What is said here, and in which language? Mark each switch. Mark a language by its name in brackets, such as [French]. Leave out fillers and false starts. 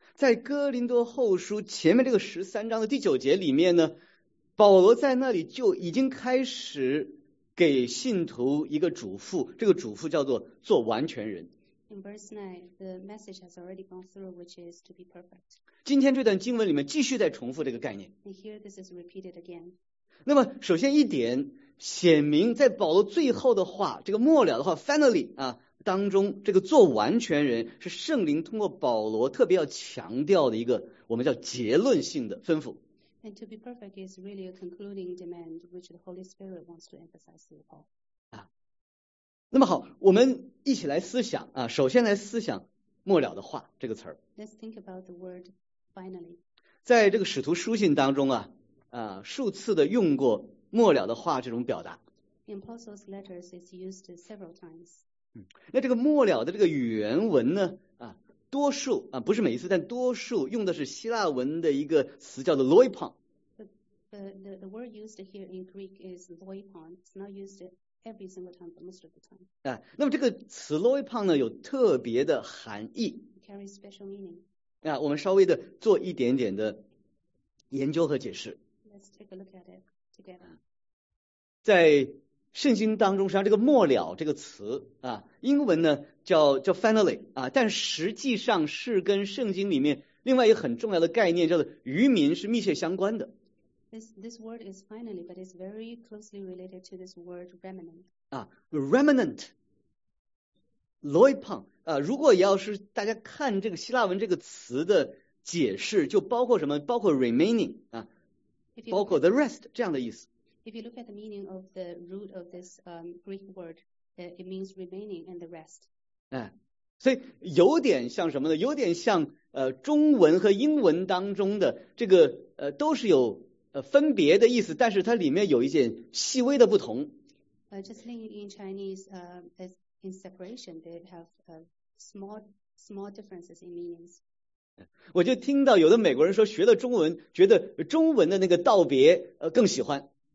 [Chinese] 在哥林多后书前面这个十三章的第九节里面呢，保罗在那里就已经开始给信徒一个嘱咐，这个嘱咐叫做做完全人。 [English] In verse 9, the message has already gone through, which is to be perfect. [Chinese] 今天这段经文里面继续在重复这个概念。 [English] And here this is repeated again. [Chinese] 那么首先一点，显明在保罗最后的话，这个末了的话 finally 当中，这个做完全人是圣灵通过保罗特别要强调的一个我们叫结论性的吩咐。 [English] And to be perfect is really a concluding demand, which the Holy Spirit wants to emphasize to Paul. [Chinese] 那么好，我们一起来思想啊。首先来思想“末了的话”这个词儿。 [English] Let's think about the word finally. [Chinese] 在这个使徒书信当中数次的用过"末了的话"这种表达。 [English] In Apostles' letters, it's used several times. [Chinese] 那这个"末了"的这个原文呢？多数不是每一次，但多数用的是希腊文的一个词，叫做 "loipon"。 [English] The word used here in Greek is "loipon." It's not used every single time, but most of the time. [Chinese] 那么这个词 "loipon" 呢，有特别的含义。 [English] It carries special meaning. [Chinese] 我们稍微的做一点点的研究和解释。 [English] Let's take a look at it together. [Chinese] 在圣经当中，实际上这个末了这个词英文呢叫 finally 但实际上是跟圣经里面另外一个很重要的概念叫做渔民是密切相关的。 [English] This word is finally, but it's very closely related to this word remnant. [Chinese] Remnant, loipon, 如果要是大家看这个希腊文这个词的解释，就包括什么？包括 remaining, 包括 [English] the rest [Chinese] 这样的意思。 [English] If you look at the meaning of the root of this Greek word, it means remaining and the rest. [Chinese] 所以有点像什么呢？有点像中文和英文当中的这个都是有分别的意思，但是它里面有一些细微的不同。 [English] Just like in Chinese, in separation, they have small differences in meanings. [Chinese] 我就听到有的美国人说学了中文，觉得中文的那个道别更喜欢。